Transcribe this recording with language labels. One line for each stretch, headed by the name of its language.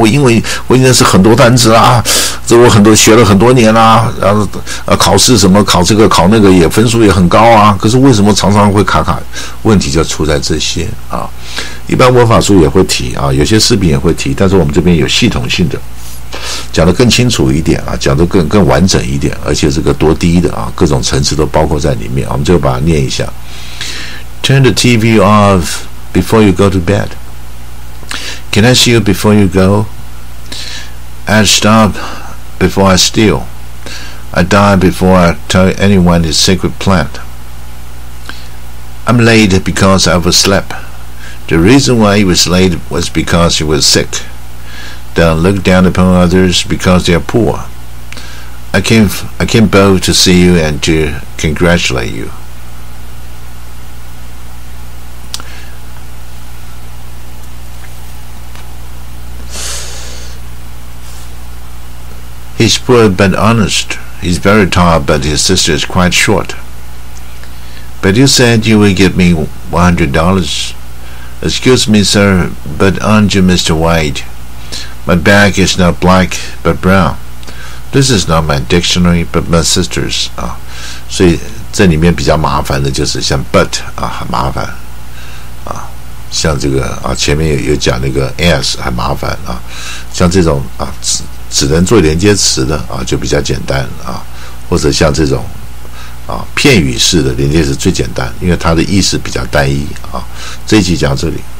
Chinese: 我英文我认识很多单词啊，这我很多学了很多年啦、啊，然后考试什么考这个考那个也分数也很高啊，可是为什么常常会卡卡？问题就出在这些啊。一般文法书也会提啊，有些视频也会提，但是我们这边有系统性的讲得更清楚一点啊，讲得更完整一点，而且这个多低的啊，各种层次都包括在里面啊，我们就把它念一下。
English: Turn the TV off before you go to bed. Can I see you before you go? I'll stop before I steal. I die before I tell anyone his secret plan. I'm late because I overslept. The reason why he was late was because he was sick. Don't look down upon others because they are poor. I came both to see you and to congratulate you. He's poor but honest. He's very tall, but his sister is quite short. But you said you would give me $100. Excuse me, sir, but aren't you Mr. White? My bag is not black, but brown. This is not my dictionary, but my sister's.
Chinese: 所以这里面比较麻烦的就是像 but, 很麻烦。像这个前面 有讲那个 as 很麻烦像这种只能做连接词的就比较简单或者像这种片语式的连接词最简单因为它的意思比较单一这一集讲到这里。